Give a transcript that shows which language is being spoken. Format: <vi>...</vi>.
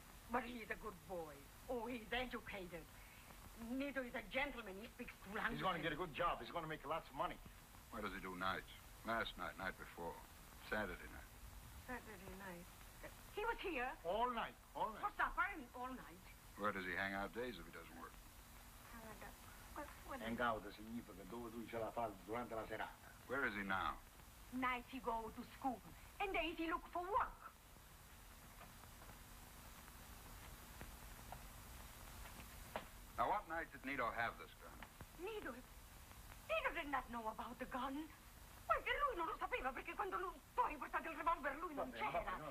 <en>But he's a good boy. Oh, he's educated. Nido is a gentleman. He speaks two languages. He's going to get a good job. He's going to make lots of money. Where does he do nights? Last night, night before. Saturday night. Saturday night. He was here. All night, all night. For supper and all night. Where does he hang out days if he doesn't work? Hang out,</en> <it>significa dove lui ce la fa durante la serata.</it> <en>Where is he now? Night he go to school, and days he look for work. Now, what night did Nido have this gun? Nido did not know about the gun.</en> <it>Perché lui non lo sapeva, perché quando lui poi portato il revolver lui non c'era.</it>